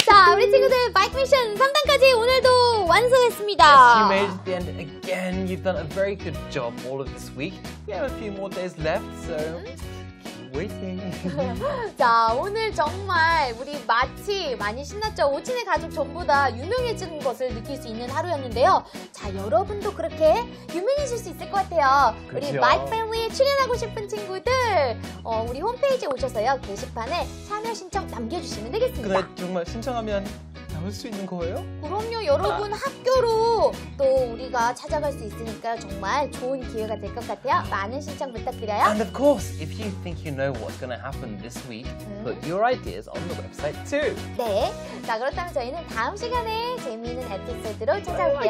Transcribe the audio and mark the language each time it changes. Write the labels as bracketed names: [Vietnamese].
[Korean] 자, 우리 친구들 바이크 미션 3단까지 오늘도 완성했습니다. [English] Yes, you made it to the end again. You've done a very good job all of this week. We have a few more days left, so... Waiting. [Korean] 자, 오늘 정말 우리 마치 많이 신났죠? 오친의 가족 전부 다 유명해진 것을 느낄 수 있는 하루였는데요. 자, 여러분도 그렇게 유명해질 수 있을 것 같아요. 그쵸? 우리 My Family에 출연하고 싶은 친구들 우리 홈페이지에 오셔서요. 게시판에 참여 신청 남겨주시면 되겠습니다. 그래, 정말 신청하면 나올 수 있는 거예요? 그럼요. 여러분 학교로 또 우리가 찾아갈 수 있으니까 정말 좋은 기회가 될 것 같아요. 많은 신청 부탁드려요. [English] And of course, if you think you know what's going to happen this week, put your ideas on the website too. [Korean] 네. 자, 그렇다면 저희는 다음 시간에 재미있는 에피소드로 찾아올게요.